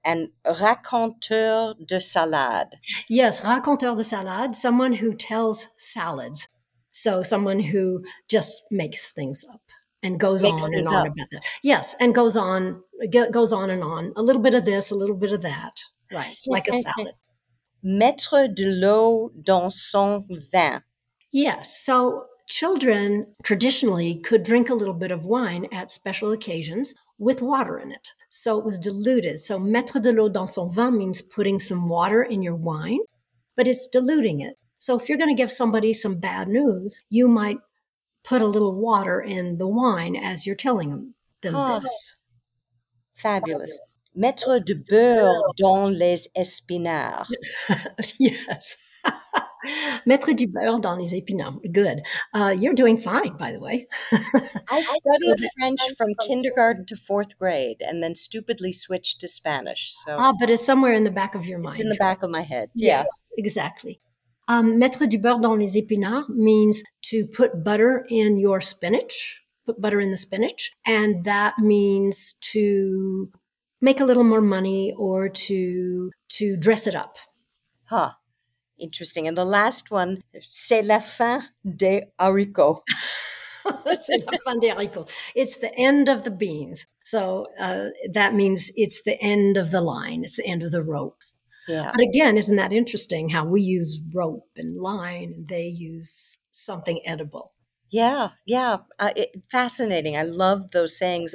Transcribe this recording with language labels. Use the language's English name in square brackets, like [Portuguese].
[French] And raconteur de salade. [English] Yes, [French] raconteur de salade, [English] someone who tells salads. So someone who just makes things up and goes on and on about that. Yes, and goes on and on. A little bit of this, a little bit of that. Right. Like a salad. [French] Mettre de l'eau dans son vin. [English] Yes. So children traditionally could drink a little bit of wine at special occasions with water in it. So it was diluted. So [French] mettre de l'eau dans son vin [English] means putting some water in your wine, but it's diluting it. So if you're going to give somebody some bad news, you might put a little water in the wine as you're telling them this. Fabulous. [French] Mettre du beurre dans les espinards. [English] Yes. [French] Mettre du beurre dans les épinards. [English] Good. You're doing fine, by the way. I studied French from kindergarten to fourth grade and then stupidly switched to Spanish. But it's somewhere in the back of your mind. It's in the back of my head. Yes. Exactly. [French] Mettre du beurre dans les épinards [English] means to put butter in your spinach, put butter in the spinach. And that means to make a little more money or to dress it up. Huh. Interesting. And the last one, [French] c'est la fin des haricots. C'est la fin des haricots. [English] It's the end of the beans. So that means it's the end of the line. It's the end of the rope. Yeah. But again, isn't that interesting how we use rope and line and they use something edible? Yeah. Fascinating. I love those sayings.